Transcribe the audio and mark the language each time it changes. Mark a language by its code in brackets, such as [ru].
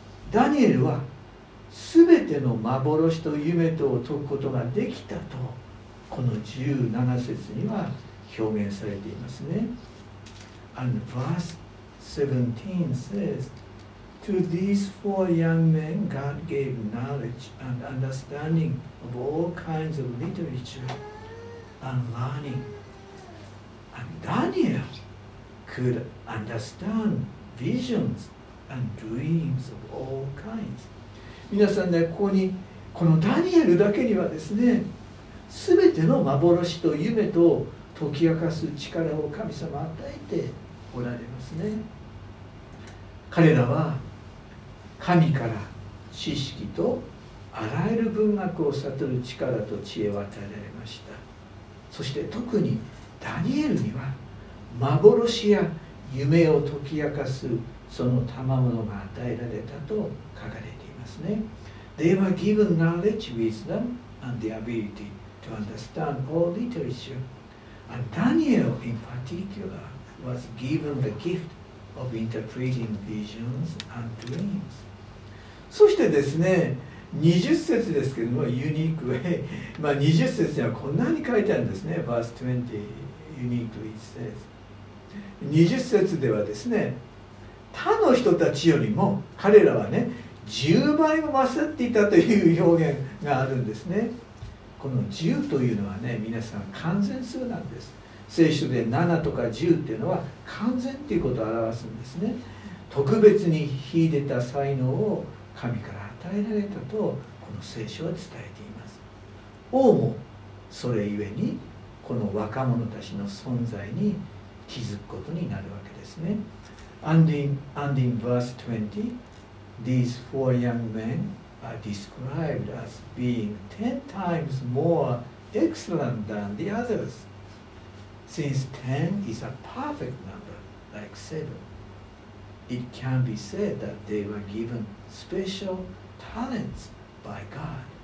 [ja] ダニエルは全ての幻と夢とを解くことができたと、この17節には表現されていますね。 [en] And verse 17 says, To these four young men God gave knowledge and understanding of all kinds of literature and learning. And Daniel could understand visions and dreams of all kinds. [ja] 皆さんね、ここにこのダニエルだけにはですね、全ての幻と夢と解き明かす力を神様与えておられますね。彼らは神から知識とあらゆる文学を悟る力と知恵を与えられました。そして特にダニエルには幻や夢を解き明かすその賜物が与えられたと書かれていますね。 [en] They were given knowledge, wisdom and the ability to understand all literature. And Daniel in particular was given the gift of interpreting visions and dreams. [ja] そしてですね、20節ですけども、 [en] ユニークウェイ、 [ja] まあ20節にはこんなに書いてあるんですね。 [en] Verse 20 uniquely says、 [ja] 20節ではですね、他の人たちよりも彼らはね、10倍も勝っていたという表現があるんですね。この10というのはね、皆さん完全数なんです。聖書で7とか10っていうのは完全っていうことを表すんですね。特別に秀でた才能を神から与えられたとこの聖書は伝えています。王もそれゆえにこの若者たちの存在に気づくことになるわけですね。 [en] And in verse 20 these four young men are described as being 10 times more excellent than the others since 10 is a perfect number like 7 it can be said that they were given specialTalents by God.